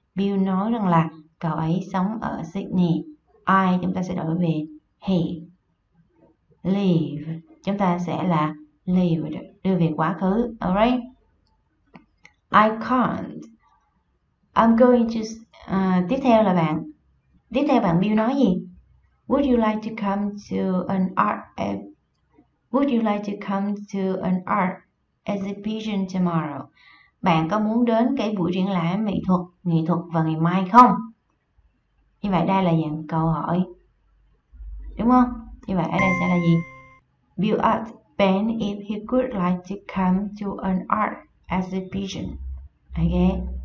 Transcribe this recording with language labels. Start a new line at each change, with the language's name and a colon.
Vietnamese: Bill nói rằng là cậu ấy sống ở Sydney. I chúng ta sẽ đổi về he. Live chúng ta sẽ là lived, đưa về quá khứ.
English: All right. I can't. I'm going to.
Vietnamese: Tiếp theo là bạn. Tiếp theo bạn Bill nói gì?
English: Would you like to come to an art event? Would you like to come to an art exhibition tomorrow?
Vietnamese: Bạn có muốn đến cái buổi triển lãm nghệ thuật vào ngày mai không? Như vậy đây là dạng câu hỏi. Đúng không? Như vậy ở đây sẽ là gì?
English: Bill asked Ben if he could like to come to an art exhibition. Ok.